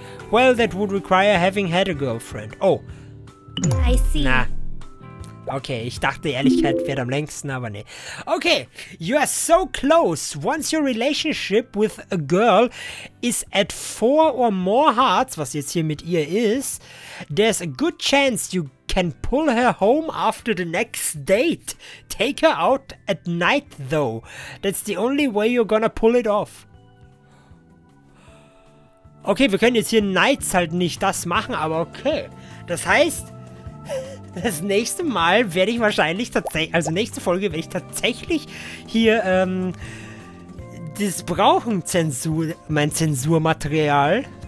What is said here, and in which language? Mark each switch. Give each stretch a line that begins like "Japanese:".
English: Well, that would require having had a girlfriend. Oh. I see. Na.
German: Okay, ich dachte, Ehrlichkeit wird am längsten, aber nee.
English: Okay, you are so close. Once your relationship with a girl is at 4 or more hearts,
German: was jetzt hier mit ihr ist,
English: there's a good chance you can pull her home after the next date. Take her out at night, though. That's the only way you're gonna pull it off.
German: Okay, wir können jetzt hier nights halt nicht das machen, aber okay. Das heißt, das nächste Mal werde ich wahrscheinlich tatsächlich, also nächste Folge werde ich tatsächlich hier, das brauchen Zensur, mein Zensurmaterial.